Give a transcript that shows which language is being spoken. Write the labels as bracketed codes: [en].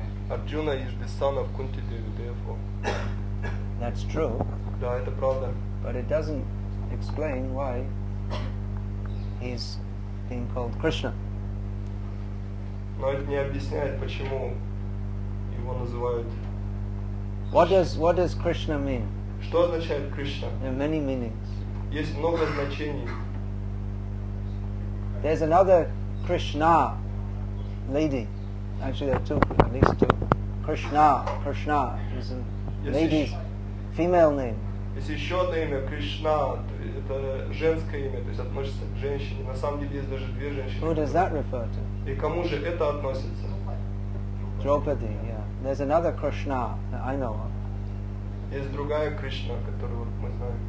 [en] Arjuna is the son of Kunti Devi, therefore. That's true. [ru] Да, это правда. [en] But it doesn't explain why he's being called Krishna. [ru] Но это не объясняет, почему его называют. [en] What does Krishna mean? [ru] Что означает Кришна? [en] There are many meanings. [ru] Есть много значений. [en] There's another Krishna lady. Actually, there are two, at least two. Krishna is a lady's female name. [ru] Есть еще одно имя Кришна. Это женское имя, то есть относится к женщине. На самом деле есть даже две женщины. [en] Who does that refer to? [ru] И кому же это относится? [en] Draupadi, yeah. There's another Krishna that I know of. [ru] Есть другая Кришна, которую мы знаем.